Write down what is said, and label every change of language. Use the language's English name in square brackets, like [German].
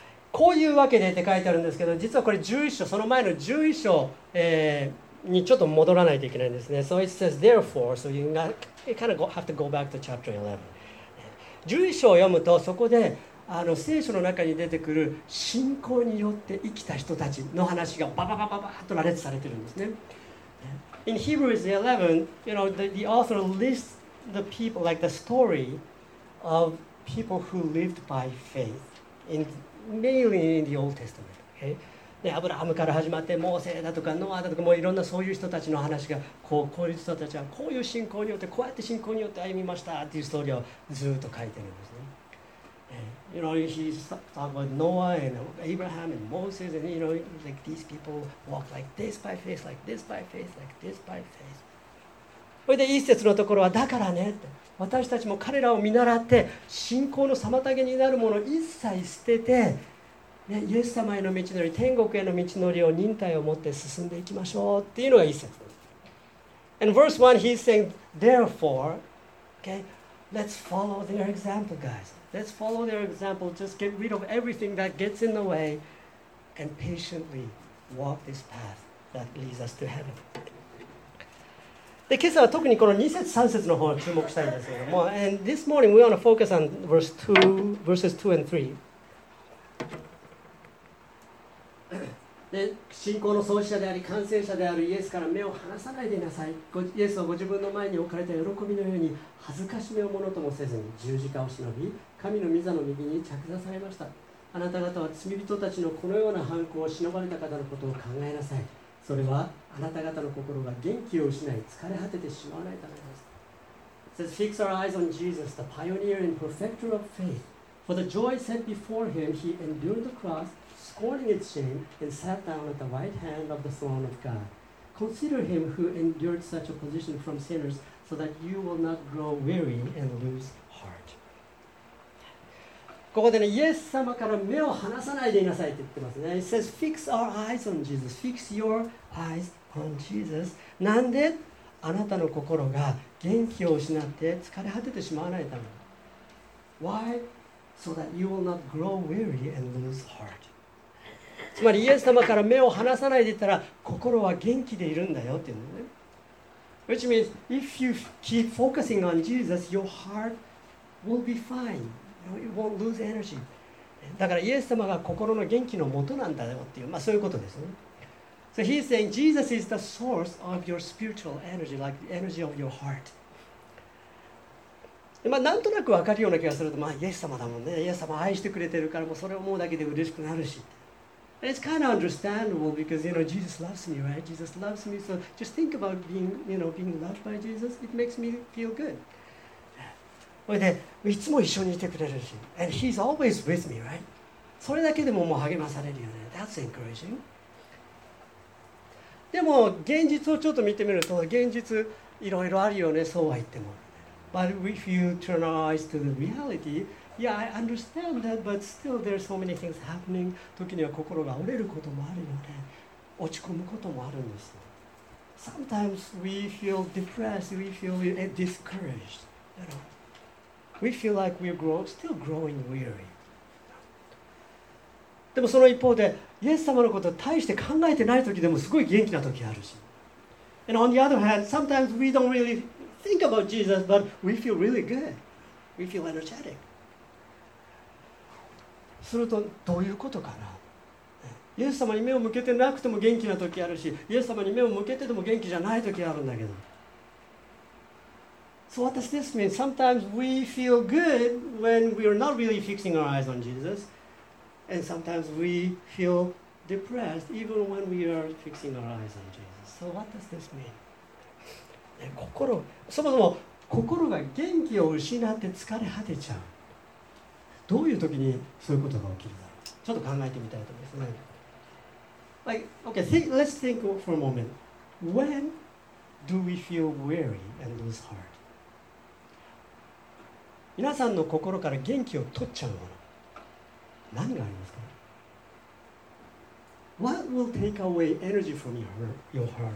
[Japanese] こういうわけでって書いてあるんですけど、実はこれ11章、その前の11章、にちょっと戻らないといけないんですね。 [English] So it says therefore, so you kind of have to go back to chapter 11. [Japanese] 11章を読むと、そこであの聖書の中に出てくる信仰によって生きた人たちの話がバババババッと羅列されてるんですね。 [English] In Hebrews 11, you know, the author lists the people like the story of people who lived by faith in, mainly in the Old Testament. Okay? [Japanese] アブラハムから始まってモーセだとかノアだとかもういろんなそういう人たちの話がこういう人たちはこういう信仰によってこうやって信仰によって歩みましたっていうストーリーをずっと書いてるんですね。 [English] You know, he's talking about Noah and Abraham and Moses and you know, like these people walk like this by faith, like this by faith, like this by faith. [Japanese] それで一節のところはだからねって私たちも彼らを見習って信仰の妨げになるものを一切捨ててね、イエス様への道のり、天国への道のりを忍耐を持って進んでいきましょうっていうのが一節です。 [English] And verse 1, he's saying, therefore, okay, let's follow their example, guys. Let's follow their example, just get rid of everything that gets in the way and patiently walk this path that leads us to heaven. [Japanese] で、今朝は特にこの2節、3節の方に注目したいんですけども、 [English] And this morning we want to focus on verses 2 and 3. [Japanese] で信仰の創始者であり完成者であるイエスから目を離さないでいなさい。イエスはご自分の前に置かれた喜びのように恥ずかしめをものともせずに十字架を忍び神の御座の右に着座されました。あなた方は罪人たちのこのような犯行を忍ばれた方のことを考えなさい。それはあなた方の心が元気を失い疲れ果ててしまわないためです。 [English] It says, Fix our eyes on Jesus, the pioneer and perfecter of faith. For the joy set before him, he endured the crossscorning its shame, and sat down at the right hand of the throne of God. Consider him who endured such opposition from sinners, so that you will not grow weary and lose heart. [Japanese] ここでね、イエス様から目を離さないでいなさいって言ってますね。 [English] It says, fix our eyes on Jesus. Fix your eyes on Jesus. [Japanese] なんで？あなたの心が元気を失って疲れ果ててしまわないため。 [English] Why? So that you will not grow weary and lose heart. [Japanese] つまりイエス様から目を離さないでいたら心は元気でいるんだよっていうのね。 [English] Which means if you keep focusing on Jesus, your heart will be fine. You won't lose energy. [Japanese] だからイエス様が心の元気の元なんだよっていう、まあそういうことですね。 [English] So he's saying Jesus is the source of your spiritual energy, like the energy of your heart. [Japanese] まあ、なんとなく分かるような気がすると、まあイエス様だもんね。イエス様愛してくれてるからもうそれを思うだけで嬉しくなるし。 [English] It's kind of understandable because you know Jesus loves me, right? Jesus loves me, so just think about being, you know, being loved by Jesus. It makes me feel good. [Japanese] それでいつも一緒にいてくれるし、 [English] and He's always with me, right? [Japanese] それだけでももう励まされるよね。 [English] That's encouraging. [Japanese] でも現実をちょっと見てみると、現実いろいろあるよね。そうは言っても、 [English] but if you turn our eyes to the reality. Yeah, I understand that, but still there are so many things happening. [Japanese] 時には心が折れることもあるよね。落ち込むこともあるんです。 [English] Sometimes we feel depressed, we feel discouraged. You know, we feel like we're still growing weary. [Japanese] でもその一方で、イエス様のことを大して考えてない時でもすごい元気な時あるし。 [English] And on the other hand, sometimes we don't really think about Jesus, but we feel really good. We feel energetic. [Japanese] するとどういうことかな。イエス様に目を向けてなくても元気な時あるし、イエス様に目を向けてても元気じゃない時あるんだけど。 [English] So what does this mean? Sometimes we feel good when we are not really fixing our eyes on Jesus, and sometimes we feel depressed even when we are fixing our eyes on Jesus. So what does this mean? [Japanese] 心、そもそも心が元気を失って疲れ果てちゃう。どういう時にそういうことが起きるか、ちょっと考えてみたいと思います。 [English] Let's think for a moment. When do we feel weary and lose heart? [Japanese] 皆さんの心から元気を取っちゃうもの、何がありますか？ [English] What will take away energy from your heart?